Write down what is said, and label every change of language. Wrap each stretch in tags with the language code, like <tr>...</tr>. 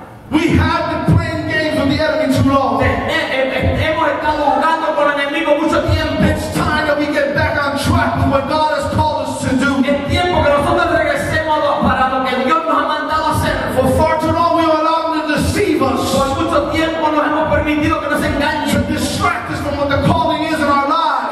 <en>We have been playing games with the enemy too long.</en> <es>Hemos estado jugando con el enemigo mucho tiempo.</es> <en>It's time that we get back on track with what God has called us to do.</en> <es>Es tiempo que nosotros regresemos para lo que Dios nos ha mandado hacer.</es> <en>For far too long we have allowed them to deceive us.</en> <es>Por mucho tiempo nos hemos permitido que nos engañen.</es> <en>To distract us from what the calling is in our lives.</en>